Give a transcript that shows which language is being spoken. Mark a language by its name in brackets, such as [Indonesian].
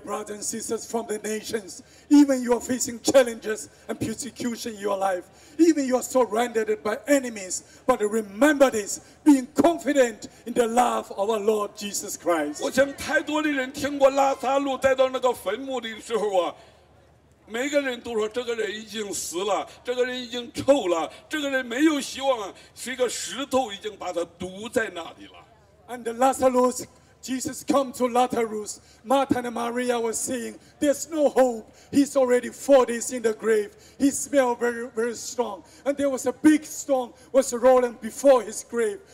[English] brothers and sisters from the nations, even you are facing challenges and persecution in your life, even you are surrounded by enemies, but remember this: being confident in the love of our Lord Jesus Christ. [Chinese] 我想太多的人听过拉撒路带到那个坟墓的时候啊。每个人都说这个人已经死了，这个人已经臭了，这个人没有希望，是一个石头已经把他堵在那里了。 [English] And Lazarus, Jesus come to Lazarus. Martha and Maria were saying, "There's no hope. He's already 4 days in the grave. He smelled very, very strong. And there was a big stone was rolling before his grave.